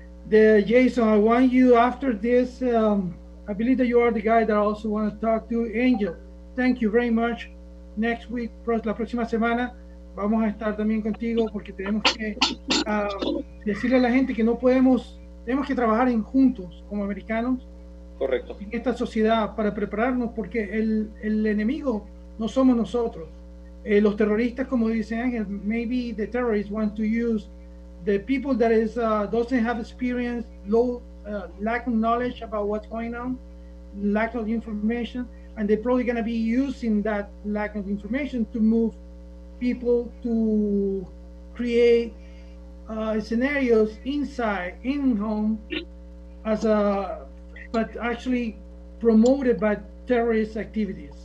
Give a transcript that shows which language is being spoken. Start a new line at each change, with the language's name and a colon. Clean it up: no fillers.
English: Jason, I want you after this, I believe that you are the guy that I also want to talk to. Angel, thank you very much. Next week,
Spanish: la próxima semana, vamos a estar también contigo, porque tenemos que decirle a la gente que no podemos, tenemos que trabajar en juntos como americanos. Correcto. En esta sociedad para prepararnos, porque el enemigo no somos nosotros. Los terroristas, como dice Ángel,
English: maybe the terrorists want to use the people that is doesn't have experience, lack of knowledge about what's going on, lack of information, and they're probably going to be using that lack of information to move people to create scenarios inside, in home, but actually promoted by terrorist activities.